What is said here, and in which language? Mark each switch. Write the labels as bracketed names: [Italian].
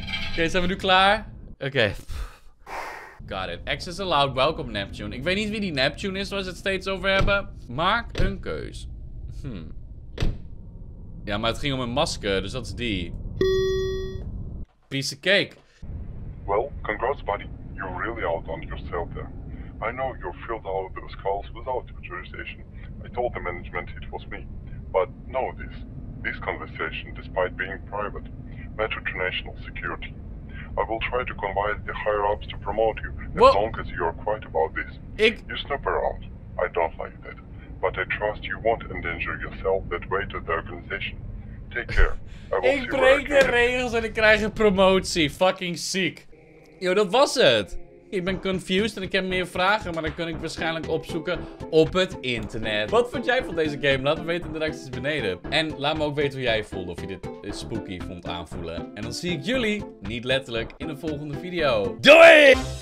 [Dutch] Oké, zijn we nu klaar? Oké. [English] Got it. Access allowed. [Dutch] Welkom, Neptune. Ik weet niet wie die Neptune is, waar ze het steeds over hebben. Maak een keus. Ja, maar het ging om een masker, dus dat is die. [English] Piece of cake. Well, congrats, buddy. You're really out on yourself there. I know you filled all of those calls without authorization. I told the management it was me. But know this. This conversation, despite being private, matters to national security. I will try to convince the higher-ups to promote you, as long as you are quiet about this. You snoop around. I don't like that. But I trust you won't endanger yourself that way to the organization. Take care. [Dutch] Ik breek de regels en ik krijg een promotie. Fucking ziek. Yo, dat was het. Ik ben confused en ik heb meer vragen, maar dan kan ik waarschijnlijk opzoeken op het internet. Wat vond jij van deze game? Laat me weten in de reacties beneden. En laat me ook weten hoe jij voelde, of je dit spooky vond aanvoelen. En dan zie ik jullie, niet letterlijk, in de volgende video. Doei!